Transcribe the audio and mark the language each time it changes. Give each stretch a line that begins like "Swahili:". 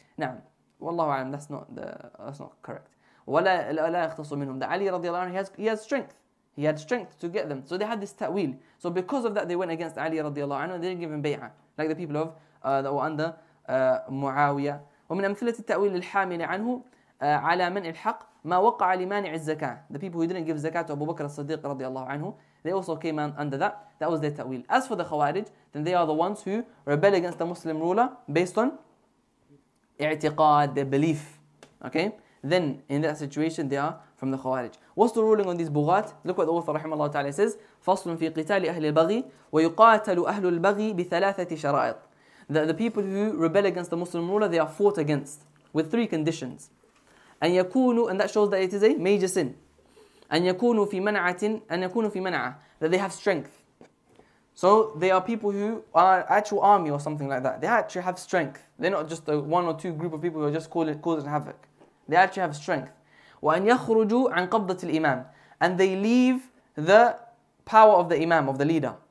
Arabic: نعم, وَاللَّهُ عَلَمْ,
English: that's not correct.
Arabic: وَلَا يَقْتَصُ مِنْهُمْ.
English: That Ali
Arabic: رضي الله عنه,
English: he had strength to get them. So they had this ta'wil. So because of that, they went against Ali
Arabic: رضي الله عنه,
English: they didn't give him bay'ah, like the people of that were under Muawiyah.
Arabic: ومن أمثلة التأويل الحامل عنه على منع الحق ما وقع لمانع الزكاة.
English: The people who didn't give zakat to Abu Bakr al-Siddiq
Arabic: رضي الله عنه,
English: they also came under that. That was their ta'wil. As for the Khawarij, then they are the ones who rebel against the Muslim ruler based on
Arabic: اعتقاد,
English: their belief. Okay? Then in that situation, they are from the Khawarij. What's the ruling on these Bughat? Look what the author
Arabic: رحمه الله تعالى
English: says.
Arabic: فصل في قتال أهل البغي ويقاتل أهل البغي بثلاثة شرائط.
English: That the people who rebel against the Muslim ruler, they are fought against with three conditions.
Arabic: أن يكونوا,
English: and that shows that it is a major sin.
Arabic: أن يكونوا في منعة, أن يكونوا في منعة,
English: that they have strength. So they are people who are actual army or something like that. They actually have strength. They're not just a one or two group of people who are just causing havoc. They actually have strength.
Arabic: وأن يخرجوا عن قبضة الإمام,
English: and they leave the power of the Imam, of the leader.